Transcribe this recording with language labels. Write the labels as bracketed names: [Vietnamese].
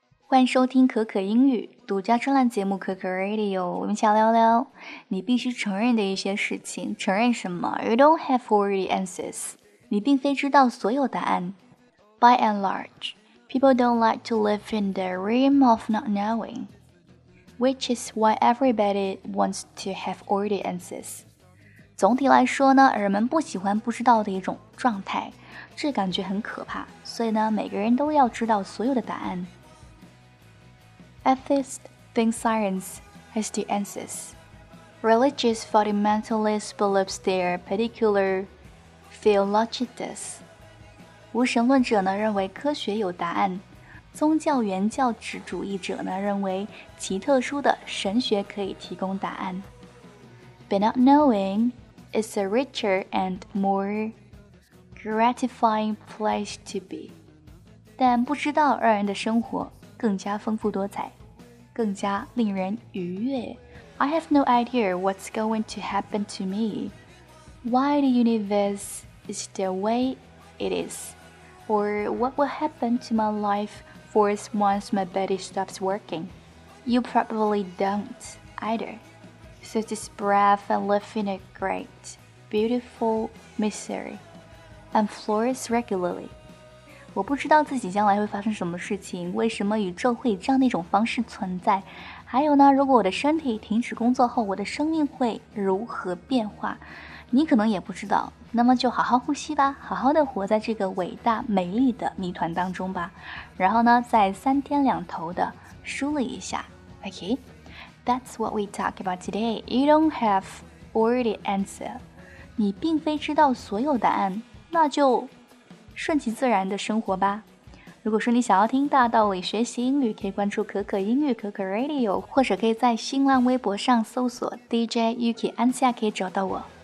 [Chinese] 欢迎收听可可英语独家专栏节目可可 Radio， 我们想聊聊你必须承认的一些事情。承认什么？ [English] You don't have all the answers. [Chinese] 你并非知道所有答案。 [English] By and large, people don't like to live in the realm of not knowing, which is why everybody wants to have all the answers. [Chinese] 总体来说呢，人们不喜欢不知道的一种状态，这感觉很可怕，所以呢，每个人都要知道所有的答案。 [English] Atheists think science has the answers. Religious fundamentalists believe their particular theologies. [Chinese] 无神论者呢认为科学有答案，宗教原教旨主义者呢认为其特殊的神学可以提供答案。 [English] But not knowing is a richer and more gratifying place to be. [Chinese] 但不知道让人的生活更加丰富多彩。更加令人愉悦。 [English] I have no idea what's going to happen to me. Why the universe is the way it is. Or what will happen to my life force once my body stops working. You probably don't either. So just breathe and live in a great, beautiful misery. And flourish regularly. [Chinese] 我不知道自己将来会发生什么事情，为什么宇宙会以这样的一种方式存在，还有呢，如果我的身体停止工作后，我的生命会如何变化，你可能也不知道。那么就好好呼吸吧，好好的活在这个伟大美丽的谜团当中吧，然后呢，再三天两头的梳理一下。 [English] Okay, that's what we talk about today. You don't have all the answer. [Chinese] 你并非知道所有答案，那就顺其自然的生活吧。如果说你想要听大道理学习英语，可以关注可可英语可可 Radio， 或者可以在新浪微博上搜索 DJ Yuki 安夏，可以找到我。